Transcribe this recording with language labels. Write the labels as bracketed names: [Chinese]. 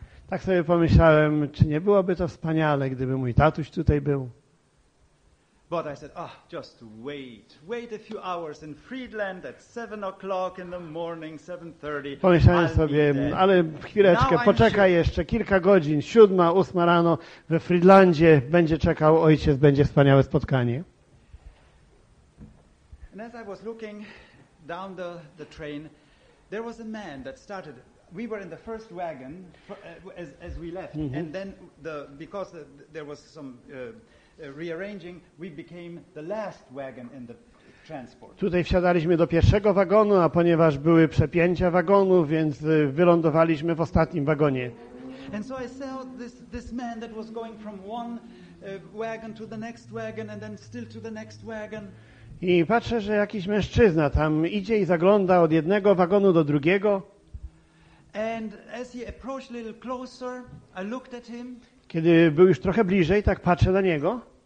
[Polish] Tak sobie pomyślałem, czy nie byłoby to wspaniale, gdyby mój tatuś tutaj był. [English] But I said, oh, just wait. Wait a few hours in Friedland at 7 o'clock in the morning, 7:30. [Polish] Pomyślałem sobie, ale chwileczkę, poczekaj jeszcze kilka godzin, 7-8 rano we Friedlandzie będzie czekał ojciec, będzie wspaniałe spotkanie. [English] And as I was looking down the train, there was a man that started. We were in the first wagon as we left, mm-hmm. and then because there was some rearranging, we became the last wagon in the transport. [Polish] Tutaj wsiadaliśmy do pierwszego wagonu, a ponieważ były przepięcia wagonów, więc wylądowaliśmy w ostatnim wagonie. [English] And so I saw this man that was going from one wagon to the next wagon and then still to the next wagon. [Polish] I patrzę, że jakiś mężczyzna tam idzie i zagląda od jednego wagonu do drugiego. [English] And as he approached a little closer, I looked at him. [Polish] Kiedy był już trochę bliżej, tak patrzę na niego.